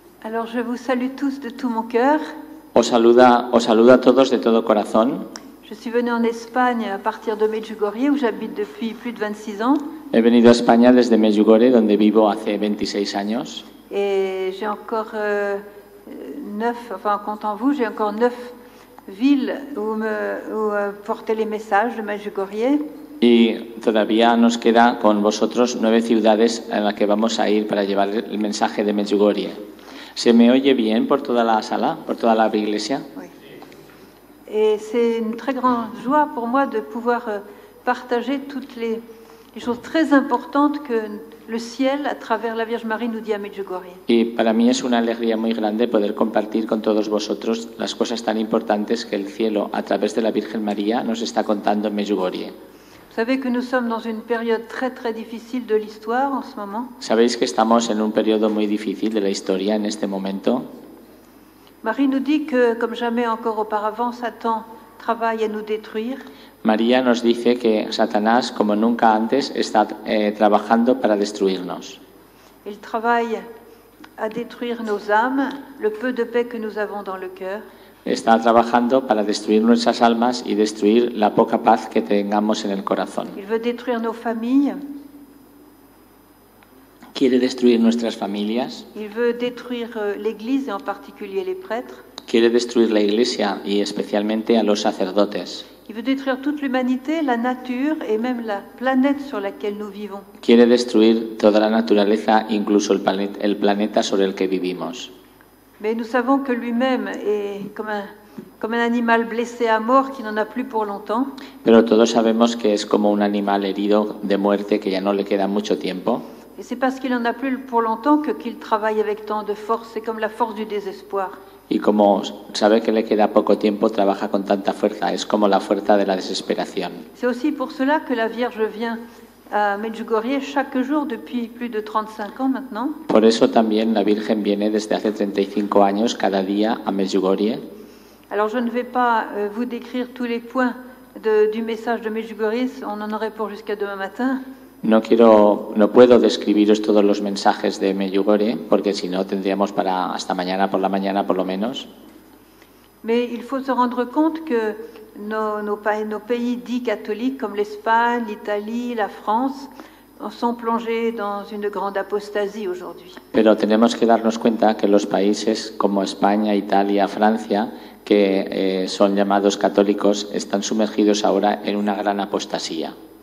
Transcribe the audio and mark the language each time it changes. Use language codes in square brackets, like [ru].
[fr] Alors, je vous salue tous de tout mon cœur. [es] Os saluda a todos de todo corazón. [fr] Je suis venu en Espagne à partir de Medjugorje où j'habite depuis plus de 26 ans. [es] He venido a España desde Medjugorje donde vivo hace 26 años. [fr] Et j'ai encore neuf, enfin en comptant vous, j'ai encore neuf villes où porter les messages de Medjugorje. [es] Y todavía nos queda con vosotros nueve ciudades en las que vamos a ir para llevar el mensaje de Medjugorje. ¿Se me oye bien por toda la sala, por toda la iglesia? [fr] Et c'est une très grande joie pour moi de pouvoir partager toutes les choses très importantes que le ciel à travers la Vierge Marie nous dit à Medjugorje. [es] Et para mí es una alegría muy grande poder compartir con todos vosotros las cosas tan importantes que el cielo a través de la Virgen María nos está contando en Medjugorje. [fr] Vous savez que nous sommes dans une période très très difficile de l'histoire en ce moment. [es] Sabéis que estamos en un periodo muy difícil de la historia en este momento. [fr] Marie nous dit que, comme jamais encore auparavant, Satan travaille à nous détruire. [es] María nos dice que Satanás, como nunca antes, está trabajando para destruirnos. [fr] Il travaille à détruire nos âmes, le peu de paix que nous avons dans le cœur. [es] Está trabajando para destruir nuestras almas y destruir la poca paz que tengamos en el corazón. [fr] Il veut détruire nos familles. [es] Quiere destruir nuestras familias. [fr] Il veut détruire l'Église et en particulier les prêtres. [es] Quiere destruir la Iglesia y especialmente a los sacerdotes. [fr] Il veut détruire toute l'humanité, la nature et même la planète sur laquelle nous vivons. [es] Quiere destruir toda la naturaleza, incluso el planeta sobre el que vivimos. [fr] Mais nous savons que lui-même est comme un animal blessé à mort qui n'en a plus pour longtemps. [es] Pero todos sabemos que es como un animal herido de muerte que ya no le queda mucho tiempo. [fr] Et c'est parce qu'il n'en a plus pour longtemps qu'il travaille avec tant de force, c'est comme la force du désespoir. [es] Y como sabe que le queda poco tiempo, trabaja con tanta fuerza, es como la fuerza de la desesperación. [fr] C'est aussi pour cela que la Vierge vient à Medjugorje chaque jour depuis plus de 35 ans maintenant. [es] Por eso también la Virgen viene desde hace 35 años cada día a Medjugorje. [fr] Alors je ne vais pas vous décrire tous les points du message de Medjugorje, on en aurait pour jusqu'à demain matin. [es] No puedo describiros todos los mensajes de Medjugorje porque si no tendríamos para hasta mañana por la mañana por lo menos. [fr] Mais il faut se rendre compte que nos pays dits catholiques comme l'Espagne, l'Italie, la France sont plongés dans une grande apostasie aujourd'hui. [es] Pero tenemos que darnos cuenta que los países como España, Italia, Francia, que son llamados católicos, están sumergidos ahora en una gran apostasía.